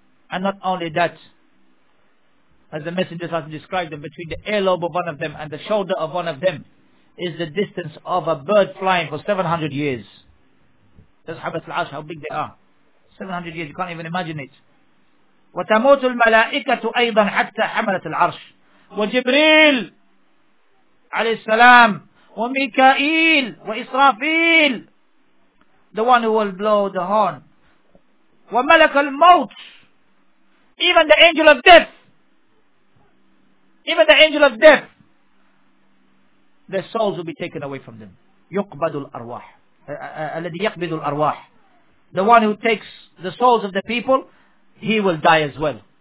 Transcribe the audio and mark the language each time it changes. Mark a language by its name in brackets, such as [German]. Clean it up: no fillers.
[English] And not only that, as the Messenger has described them, between the earlobe of one of them and the shoulder of one of them is the distance of a bird flying for 700 years. That's Hamlat al-Arsh, how big they are. 700 years, you can't even imagine it. [Arabic] وَتَمُوتُ الْمَلَائِكَةُ أَيْضًا حَتَّى حَمَلَتْ الْعَرْشِ وَجِبْرِيلُ عَلَيْهِ السَّلَامُ وَمِكَائِيلُ وَإِسْرَافِيلُ [English] The one who will blow the horn. [Arabic] وَمَلَكَ الْمَوْتُ [English] Even the angel of death. Even the angel of death. Their souls will be taken away from them. [Arabic] يُقْبَدُ الْأَرْوَاحِ الَّذِي يَقْبِدُ الْأَرْوَاحِ [English] The one who takes the souls of the people, he will die as well.